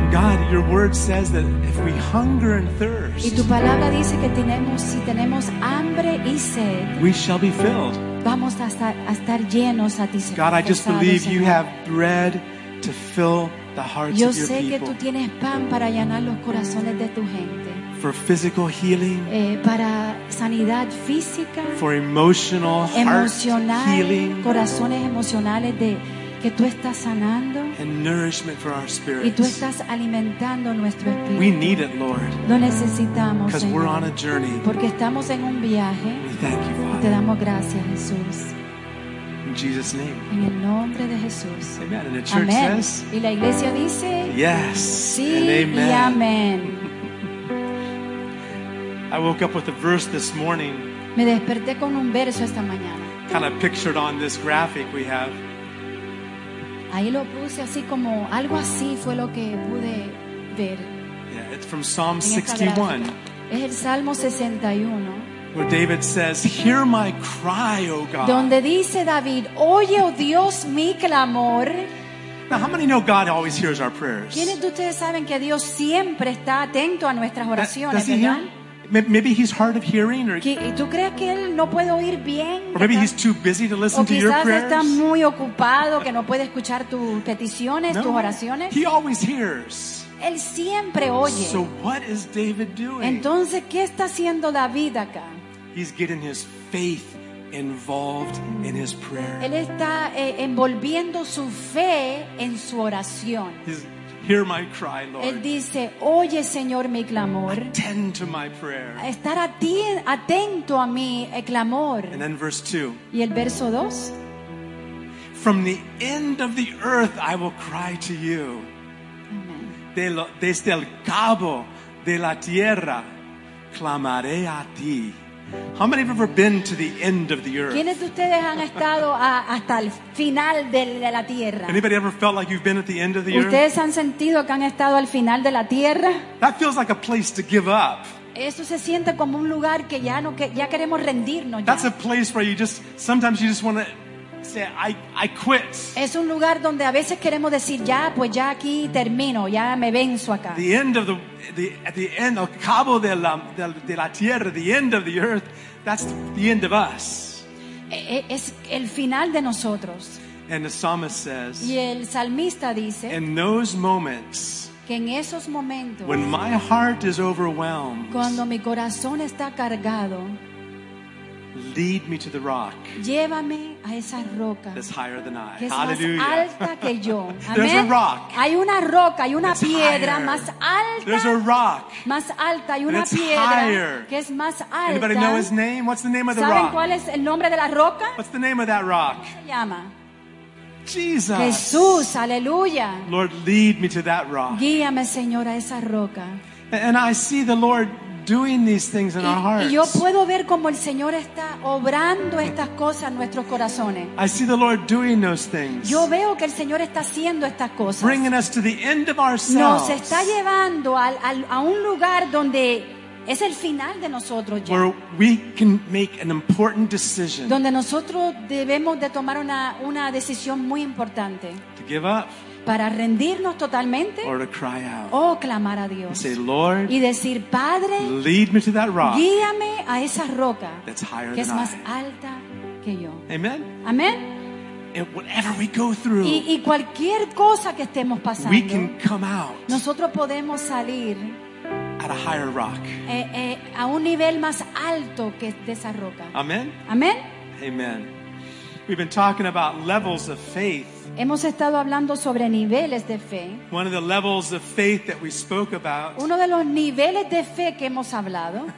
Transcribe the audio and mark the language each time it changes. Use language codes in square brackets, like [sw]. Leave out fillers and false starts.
[en] God, your word says that if we hunger and thirst, [es] y tu palabra dice que tenemos, si tenemos hambre y sed, [en] we shall be filled. [es] Vamos a estar llenos, satisfechos. [en] God, I just believe you have bread to fill the hearts [es] yo [en] of your people. [es] Yo sé que tú tienes pan para llenar los corazones de tu gente. [en] For physical healing, [es] para sanidad física, [en] for emotional heart healing, [es] corazones emocionales de que tú estás sanando, [en] and nourishment for our spirits. [es] Y tú estás alimentando nuestro espíritu. [en] We need it, Lord. [es] Lo necesitamos, [en] because we're on a journey. [es] Porque estamos en un viaje. [en] We thank you, Father. [es] Te damos gracias, Jesús. [en] In Jesus' name. [es] En el nombre de Jesús. [en] Amen. And the church [es] amen. [en] Says. [es] Y la iglesia dice. [en] Yes. [es] Sí, [en] and amen. [es] Y amen. [en] I woke up with a verse this morning. [es] Me desperté con un verso esta mañana. [en] Kind of pictured on this graphic we have. [es] Ahí lo puse así como algo así fue lo que pude ver. [en] Yeah, it's from Psalm 61. [es] Es el Salmo 61. [en] Where David says, "Hear my cry, O God." [es] Donde dice David, "Oye, oh Dios, mi clamor." [en] Now, how many know God always hears our prayers? [es] ¿Quiénes de ustedes saben que Dios siempre está atento a nuestras oraciones, verdad? [en] Maybe he's hard of hearing, or [es] ¿tú crees que él no puede oír bien? [en] Or maybe he's too busy to listen to your prayers. [es] O quizás está muy ocupado que no puede escuchar tus peticiones, no, tus oraciones. [en] He always hears. [es] Él siempre oye. [en] So what is David doing? [es] Entonces, ¿qué está haciendo David acá? [en] He's getting his faith involved in his prayer. [es] Él está envolviendo su fe en su oración. [en] Hear my cry, Lord. [es] Él dice, oye, Señor, mi clamor. [en] Attend to my prayer. [es] Estar atento a mi clamor. [en] And then verse 2. [es] Y el verso 2. [en] From the end of the earth I will cry to you. Amen. [es] Desde el cabo de la tierra clamaré a ti. [en] How many have ever been to the end of the earth? [es] ¿Quiénes de ustedes han estado hasta el final de la tierra? [en] Anybody ever felt like you've been at the end of the earth? [es] ¿Ustedes han sentido que han estado al final de la tierra? [en] That feels like a place to give up. [es] Eso se siente como un lugar que ya no, que ya queremos rendirnos. [en] That's a place where you just sometimes you just want to say I quit. [es] Es un lugar donde a veces queremos decir ya, pues ya aquí termino, ya me venzo acá. [en] The end of the at the end, [es] al cabo de la tierra, [en] the end of the earth, that's the end of us. [es] Es el final de nosotros. [en] And the psalmist says. [es] Y el salmista dice. [en] In those moments. [es] Que en esos momentos. [en] When my heart is overwhelmed. [es] Cuando mi corazón está cargado. [en] Lead me to the rock. [es] Llévame a esa roca. [en] That's higher than I. [es] Que es más alta que yo. [en] There's a rock. [es] Hay una roca, hay una piedra más alta. [en] There's a rock. [es] Más alta, hay una piedra que es más alta. [en] Anybody know his name? What's the name of the rock? [es] ¿Saben cuál es el nombre de la roca? [en] What's the name of that rock? [es] ¿Cómo se llama? [en] Jesus. [es] Jesús, aleluya. [en] Lord, lead me to that rock. [es] Guíame, Señor, a esa roca. [en] And I see the Lord doing these things in our hearts. [es] Y yo puedo ver cómo el Señor está obrando estas cosas en nuestros corazones. [en] I see the Lord doing those things. [es] Yo veo que el Señor está haciendo estas cosas. [en] Bringing us to the end of ourselves. [es] Nos está llevando a un lugar donde es el final de nosotros ya. [en] Where we can make an important decision. [es] Donde nosotros debemos de tomar una decisión muy importante. [en] To give up. [es] Para rendirnos totalmente [en] or to cry out. [es] O clamar a Dios. [en] And say, Lord, [es] y decir, Padre, [en] lead me to that rock. [es] Guíame a esa roca [en] that's higher [es] que [en] than [es] es más [en] I. [es] alta que yo. [en] Amen. [es] Amen. [en] And whatever we go through, [es] y cualquier cosa que estemos pasando, [en] we can come out [es] nosotros podemos salir [en] at a higher rock. [es] A un nivel más alto que esa roca. [en] Amen. [es] Amen. [en] Amen. We've been talking about levels of faith. [es] Hemos estado hablando sobre niveles de fe. [en] One of the levels of faith that we spoke about. [es] Uno de los niveles de fe que hemos hablado.